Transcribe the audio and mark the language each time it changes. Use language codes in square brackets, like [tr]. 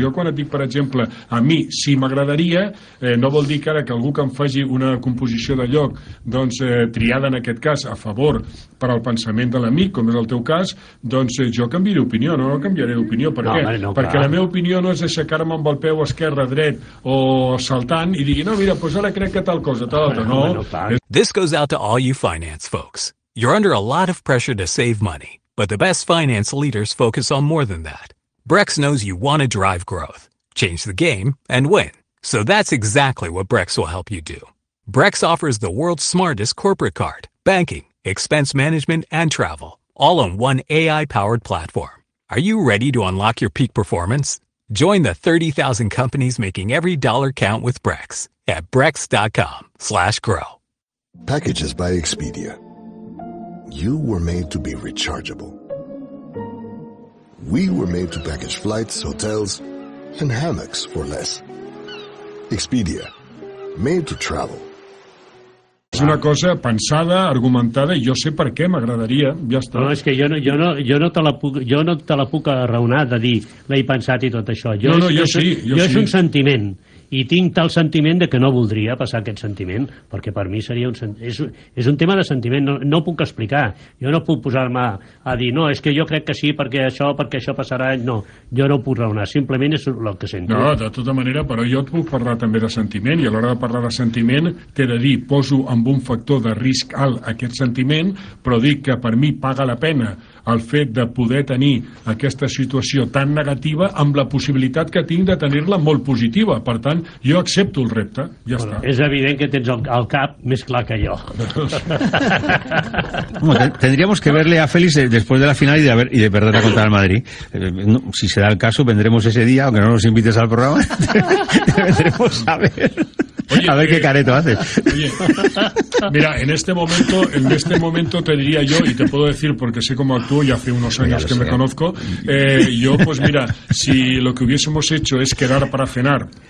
[ca] Jo quan et dic, per exemple, a mi, si m'agradaria, no vol dir que ara que algú que em faci una composició de lloc, doncs, triada en aquest cas, a favor per al pensament de l'amic, com és el teu cas, doncs jo canvio d'opinió, no canviaré d'opinió. Perquè la meva opinió no és aixecar-me amb el peu esquerre, dret o saltant i dir, no, mira, doncs ara crec que tal cosa, tal altra. No, [en] This goes out to all you finance folks. You're under a lot of pressure to save money, but the best finance leaders focus on more than that. Brex knows you want to drive growth, change the game, and win. So that's exactly what Brex will help you do. Brex offers the world's smartest corporate card, banking, expense management, and travel, all on one AI-powered platform. Are you ready to unlock your peak performance? Join the 30,000 companies making every dollar count with Brex at brex.com/grow. Packages by Expedia. You were made to be rechargeable. We were made to package flights, hotels, and hammocks for less. Expedia. Made to travel. [ca] És una cosa pensada, argumentada, i jo sé per què m'agradaria, ja està. No, és que jo no te la puc raonar de dir, l'he pensat i tot això. Jo sí. És un sentiment. I tinc tal sentiment de que no voldria passar aquest sentiment, perquè per mi seria és un tema de sentiment, no puc explicar. Jo no puc posar-me a dir, no, és que jo crec que sí, perquè això passarà, no. Jo no puc raonar, simplement és el que sento. No, de tota manera, però jo et puc parlar també de sentiment, i a l'hora de parlar de sentiment t'he de dir, poso amb un factor de risc alt aquest sentiment, però dic que per mi paga la pena el fet de poder tenir aquesta situació tan negativa amb la possibilitat que tinc de tenir-la molt positiva. Per tant, jo accepto el repte, ja està. És evident que tens el cap més clar que jo. [es] Tendríamos que verle a Félix después de la final y de perder la contra el Madrid. No, si se da el caso, vendremos ese día, aunque no nos invites al programa, vendremos a ver... Oye, a ver qué careto haces. Oye, mira, en este momento te diría yo, y te puedo decir porque sé cómo actúo y hace unos años que me conozco, yo pues mira, si lo que hubiésemos hecho es quedar para cenar